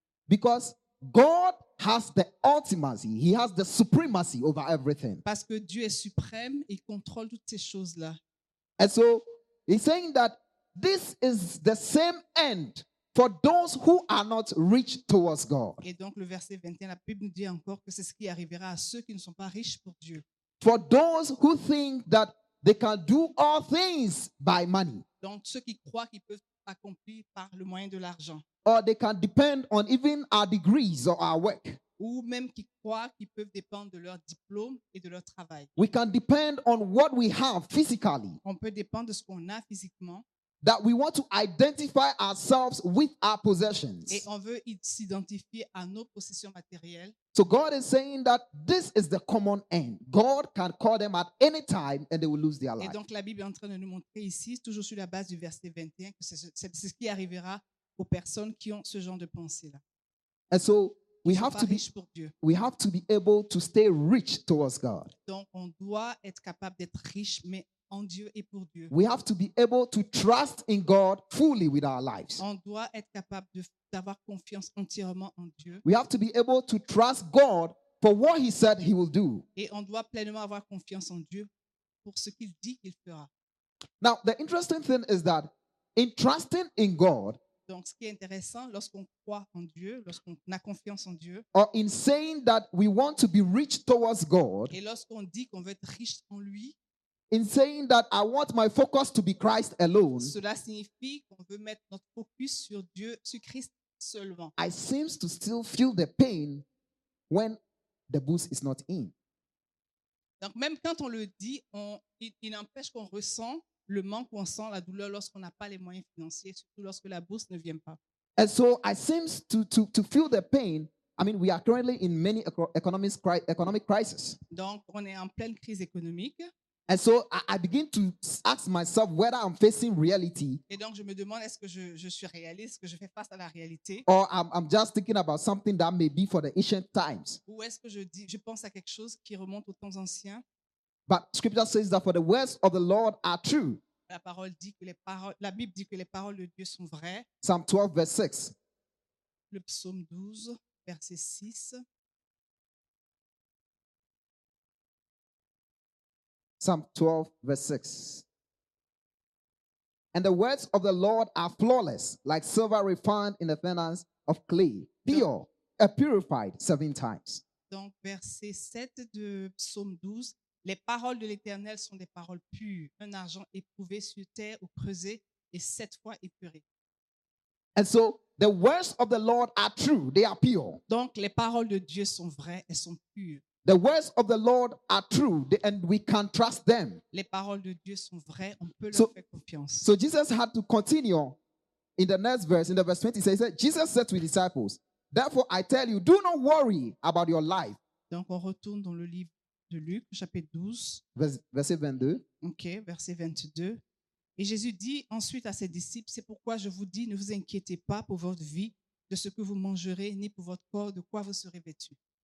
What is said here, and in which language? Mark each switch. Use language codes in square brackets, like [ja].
[en] Because God has the ultimacy, he has the supremacy over everything. [fr] Parce que Dieu est suprême, il contrôle toutes ces choses-là. [en] And so he's saying that this is the same end for those who are not rich towards God. [fr] Et donc le verset 21, la Bible nous dit encore que c'est ce qui arrivera à ceux qui ne sont pas riches pour Dieu. [en] For those who think that they can do all things by money. [fr] Donc ceux qui croient qu'ils peuvent accomplir par le moyen de l'argent. [en] Or they can depend on even our degrees or our work. [fr] Ou même qui croient qu'ils peuvent dépendre de leur diplôme et de leur travail. [en] We can depend on what we have physically. [fr] On peut dépendre de ce qu'on a physiquement. [en] That we want to identify ourselves with our possessions. [fr] Et on veut s'identifier à nos possessions matérielles. [en] So God is saying that this is the common end. God can call them at any time and they will lose their life. [fr] Et donc la Bible est en train de nous montrer ici, toujours sur la base du verset 21, que c'est ce qui arrivera aux personnes qui ont ce genre de pensée-là. [en] And so we have to be able to stay rich towards God. [fr] Donc on doit être capable d'être riche, mais en Dieu et pour Dieu. [en] We have to be able to trust in God fully with our lives. [fr] On doit être capable d'avoir confiance entièrement en Dieu. [en] We have to be able to trust God for what he said he will do. [fr] Et on doit pleinement avoir confiance en Dieu pour ce qu'il dit qu'il fera. [en] Now, the interesting thing is that in trusting in God, [fr] donc ce qui est intéressant lorsqu'on croit en Dieu, lorsqu'on a confiance en Dieu, [en] or in saying that we want to be rich towards God, [fr] et lorsqu'on dit qu'on veut être riche en lui, [en] in saying that I want my focus to be Christ alone, [fr] cela signifie qu'on veut mettre notre focus sur Dieu, sur Christ seulement. [en] I seem to still feel the pain when the boost is not in. [fr] Donc même quand on le dit, il n'empêche qu'on ressent le manque, on sent la douleur lorsqu'on n'a pas les moyens financiers, surtout lorsque la bourse ne vient pas. [en] And so I seem to feel the pain. I mean, we are currently in many economic crisis. [fr] Donc, on est en pleine crise économique. [en] And so I begin to ask myself whether I'm facing reality. [fr] Et donc, je me demande, est-ce que je suis réaliste, est-ce que je fais face à la réalité? [en] Or I'm just thinking about something that may be for the ancient times. [fr] Ou est-ce que je pense à quelque chose qui remonte aux temps anciens? [en] But scripture says that for the words of the Lord are true. [fr] La Bible dit que les paroles de Dieu sont vraies. [en] Psalm 12, verse 6. [fr] Le psaume 12, verset 6. [en] Psalm 12, verse 6. And the words of the Lord are flawless, like silver refined in the furnace of clay, pure, purified seven times. [fr] Donc, verset 7 de psaume 12. Les paroles de l'Éternel sont des paroles pures, un argent éprouvé sur terre ou creusé et sept fois épuré. [en] And so, the words of the Lord are true, they are pure. [fr] Donc, les paroles de Dieu sont vraies, elles sont pures. [en] The words of the Lord are true, and we can trust them. [fr] Les paroles de Dieu sont vraies, on peut leur faire confiance. [en] So Jesus had to continue in the next verse, in the verse 20, he said, Jesus said to his disciples, therefore I tell you, do not worry about your life. [fr] Donc on retourne dans le livre de Luc, chapitre 12. Verset 22. Ok, verset 22. Et Jésus dit ensuite à ses disciples, c'est pourquoi je vous dis, ne vous inquiétez pas pour votre vie, de ce que vous mangerez, ni pour votre corps, de quoi vous serez vêtus.